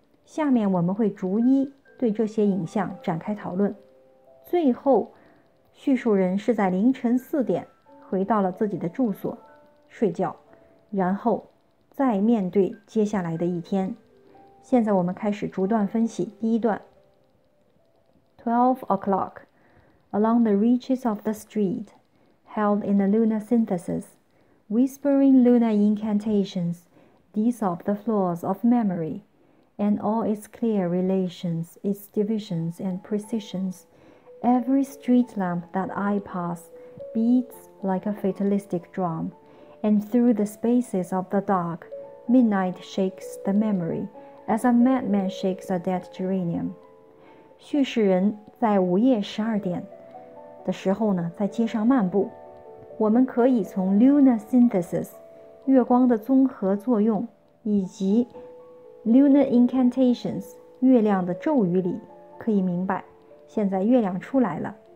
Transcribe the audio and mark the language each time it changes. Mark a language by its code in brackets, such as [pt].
[zh] 下面我们会逐一对这些影像展开讨论。最后，叙述人是在凌晨4点回到了自己的住所睡觉，然后再面对接下来的一天。现在我们开始逐段分析。第一段： [en] 12 o'clock, along the reaches of the street, held in the lunar synthesis. Whispering lunar incantations, dissolve the floors of memory, and all its clear relations, its divisions and precisions. Every street lamp that I pass beats like a fatalistic drum, and through the spaces of the dark, midnight shakes the memory, as a madman shakes a dead geranium. [zh] 叙事人在午夜12点的时候呢，在街上漫步。我们可以从 lunar synthesis 月光的综合作用，以及 lunar incantations 月亮的咒语里，可以明白，现在月亮出来了。